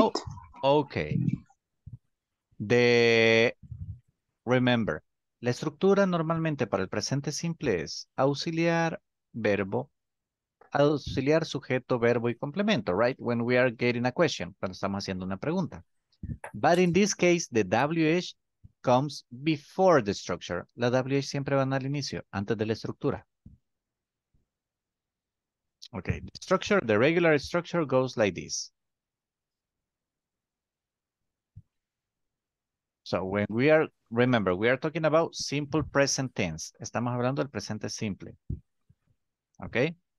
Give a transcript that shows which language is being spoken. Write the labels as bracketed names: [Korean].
[English] Oh, okay. The Remember, [Spanish] la estructura normalmente para el presente simple es auxiliar, verbo, auxiliar, sujeto, verbo y complemento, right? [English] When we are getting a question, [Spanish] cuando estamos haciendo una pregunta. [English] But in this case, the WH comes before the structure. [Spanish] La WH siempre va al inicio, antes de la estructura. [English] Okay, the structure, the regular structure goes like this. So when we are, remember, we are talking about simple present tense. [Spanish] Estamos hablando del presente simple. Okay?